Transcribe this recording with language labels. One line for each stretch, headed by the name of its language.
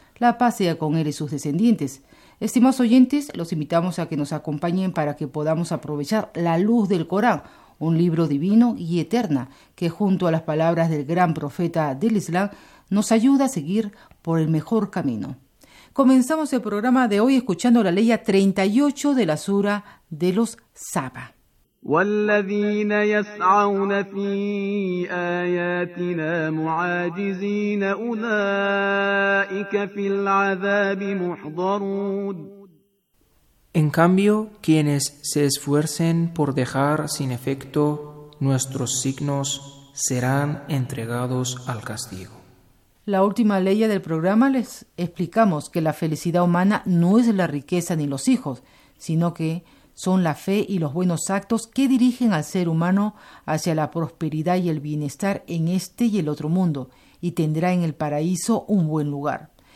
Spanish: La paz sea con él y sus descendientes. Estimados oyentes, los invitamos a que nos acompañen para que podamos aprovechar la luz del Corán, un libro divino y eterna, que junto a las palabras del gran profeta del Islam, nos ayuda a seguir por el mejor camino. Comenzamos el programa de hoy escuchando la ley 38 de la sura de los Saba.
Arabic: والذين يسعون في آياتنا معاجزين أولئك في العذاب محضرون.
Spanish: En cambio, quienes se esfuercen por dejar sin efecto nuestros signos serán entregados al castigo. La última ley del programa les explicamos que la felicidad humana no es la riqueza ni los hijos, sino que son la fe y los buenos actos que dirigen al ser humano hacia la prosperidad y el bienestar en este y el otro mundo, y tendrá en el paraíso un buen lugar.